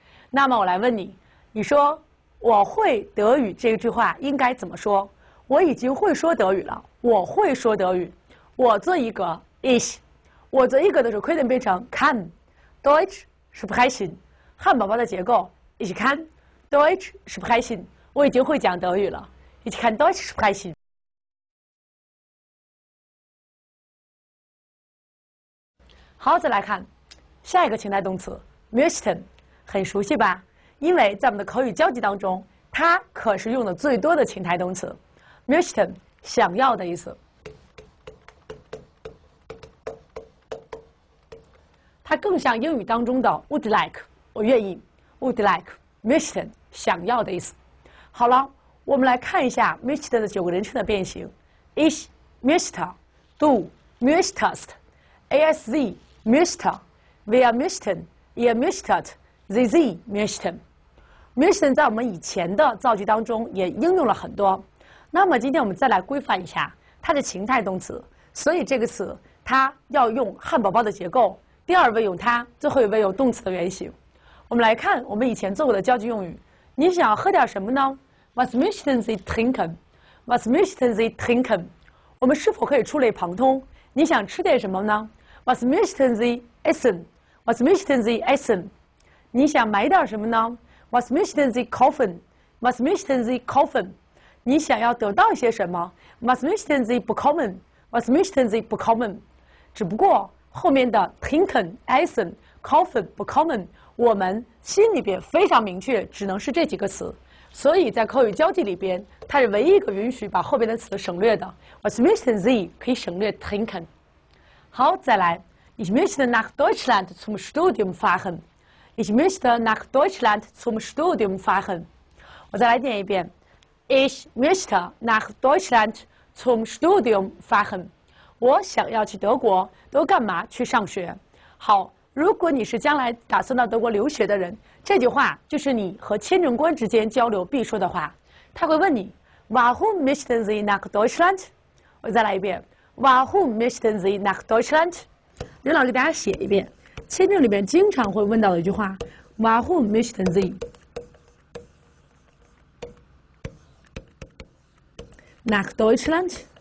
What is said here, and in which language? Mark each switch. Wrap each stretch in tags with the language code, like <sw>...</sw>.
<zh>那么我来问你，你说我会德语这句话应该怎么说？我已经会说德语了，我会说德语。我做一个 ich， 我做一个的时候 ，können 变成 kann。</zh> <de>Deutsch sprechen，</de> <zh>汉堡包的结构</zh> <de>，ich kann Deutsch sprechen。</de> <zh>我已经会讲德语了 ，</zh> <de>ich kann Deutsch sprechen。</de> <zh>好，再来看下一个情态动词 ，möchten， 很熟悉吧？因为在我们的口语交际当中，它可是用的最多的情态动词 ，möchten， 想要的意思。它更像英语当中的 would like， 我愿意 ，would like， möchten， 想要的意思。好了，我们来看一下</zh> <de>möchten 的九个人称的变形 ：ich möchte， du möchtest， er sie möchte， wir möchten， ihr möchtet， sie möchten。</de> <zh>Möchten 在我们以前的造句当中也应用了很多，那么今天我们再来规范一下它的情态动词，所以这个词它要用汉堡包的结构，第二位用它，最后一位用动词的原形。我们来看我们以前做过的造句用语，你想喝点什么呢 ？</zh> <de>Was möchten Sie trinken？ Was möchten Sie trinken？</de> <zh>我们是否可以触类旁通？你想吃点什么呢 ？</zh> <de>Was möchten Sie essen？ Was möchten Sie essen？</de> <zh>你想买点什么呢？</zh> <de>Was möchten Sie kaufen? Was möchten Sie kaufen?</de> <zh>你想要得到一些什么 ？</zh> <de>Was möchten Sie bekommen? Was möchten Sie bekommen?</de> <zh>只不过后面的 trinken, essen, kaufen, bekommen， 我们心里边非常明确，只能是这几个词。所以在口语交际里边，它是唯一一个允许把后边的词省略的。</zh> <de>Was möchten Sie</de> <zh>可以省略</zh> <de>trinken。 好，再来 ，Ich möchte nach Deutschland zum Studium fahren。 Ich möchte nach Deutschland zum Studium fahren.</de> <zh>我再来念一遍。</zh> <de>Ich möchte nach Deutschland zum Studium fahren.</de> <zh>我想要去德国，都干嘛去上学？好，如果你是将来打算到德国留学的人，这句话就是你和签证官之间交流必说的话。他会问你</zh> <de>，Warum möchten Sie nach Deutschland？</de> <zh>我再来一遍</zh> <de>，Warum möchten Sie nach Deutschland？</de> <zh>刘老师给大家写一遍。签证里面经常会问到的一句话 ，</zh> <de>Warum möchten Sie nach Deutschland？</de>